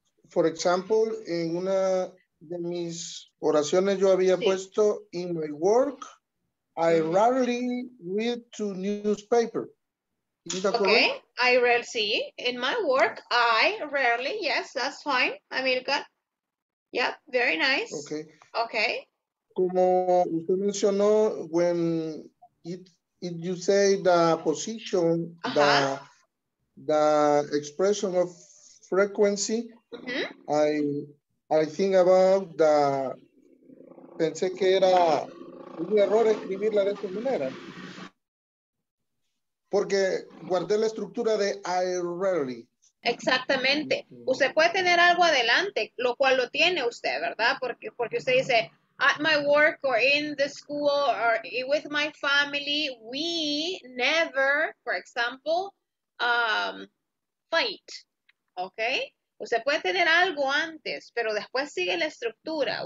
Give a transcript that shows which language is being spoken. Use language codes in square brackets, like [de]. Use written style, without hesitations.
[en] For example, [es] en una de mis oraciones yo había puesto [en] in my work, I rarely read to newspaper. Okay, I rarely see. In my work, I rarely, yes, that's fine, Amilcar. Yep, very nice. Okay. Okay. [es] Como usted mencionó, [en] when it you say the position, the expression of frequency, I think about the, [es] pensé que era un error escribirla de esta manera. Porque guardé la estructura de [en] I rarely. [es] Exactamente. Usted puede tener algo adelante, lo cual lo tiene usted, ¿verdad? Porque usted dice, [en] at my work or in the school or with my family, we never, for example, fight. Okay? [es] Usted puede tener algo antes, pero después sigue la estructura.